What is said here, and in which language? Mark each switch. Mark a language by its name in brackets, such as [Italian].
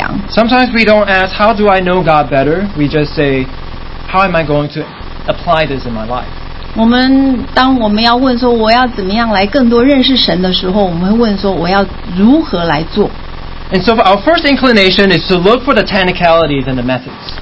[English] Sometimes we don't ask, how do I know God better? We just say, how am I going to apply this in my life? [Chinese] 我们要问说我要怎么样来更多认识神的时候，我们会问说我要如何来做。 [English] And so our first inclination is to look for the technicalities and the methods.